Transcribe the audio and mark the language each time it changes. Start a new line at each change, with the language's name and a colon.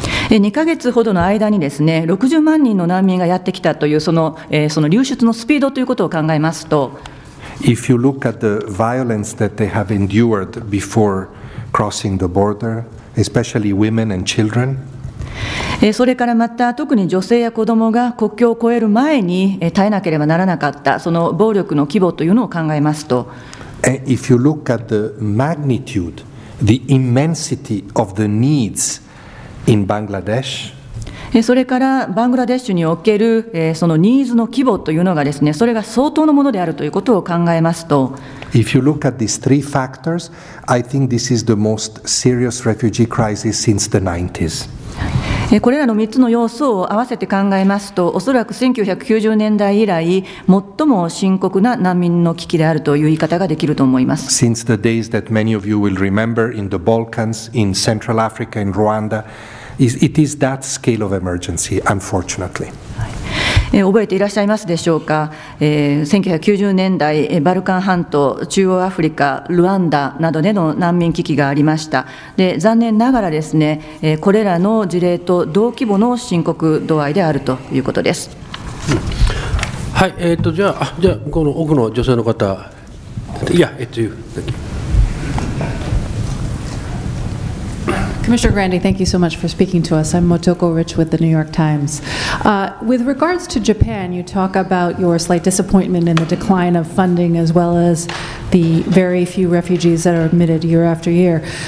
Japanese: 2ヶ月ほどの間にですね、60万人の難民がやってきたというその流出のスピードということを考えますと、
English: If you look at the violence that they have endured before crossing the border, especially women and children,
Japanese: それからまた特に女性や子どもが国境を越える前に耐えなければならなかったその暴力の規模というのを考えますと、
English: If you look at the magnitude, the immensity of the needs. In Bangladesh.
Japanese: それからバングラデシュにおけるそのニーズの規模というのがですね、それが相当のものであるということを考えますと、
English: If you look at these three factors, I think this is the most serious refugee crisis since the 90s.
Japanese: これらの3つの要素を合わせて考えますと、おそらく1990年代以来最も深刻な難民の危機であるという言い方ができると思います。
English: Since the days that many of you will remember in the Balkans, in Central Africa, in Rwanda, it is that scale of emergency, unfortunately.
Japanese: 覚えていらっしゃいますでしょうか、1990年代バルカン半島、中央アフリカ、ルワンダなどでの難民危機がありました。で、残念ながらですね、これらの事例と同規模の深刻度合いであるということです。はい、じゃあこの奥の女性の方。いや、
English: Commissioner Grandy, thank you so much for speaking to us. I'm Motoko Rich with the New York Times. With regards to Japan, you talk about your slight disappointment in the decline of funding as well as the very few refugees that are admitted year after year.